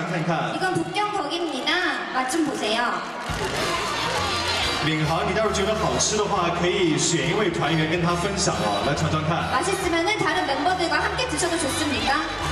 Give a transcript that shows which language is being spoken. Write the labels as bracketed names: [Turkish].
[Korean] 이건북경덕입니다맛좀보세요。 [Chinese] 민豪，你待会儿觉得好吃的话，可以选一位团员跟他分享哦，来尝尝看。 [Korean] 맛있으면은 다른 멤버들과 함께 드셔도 좋습니까？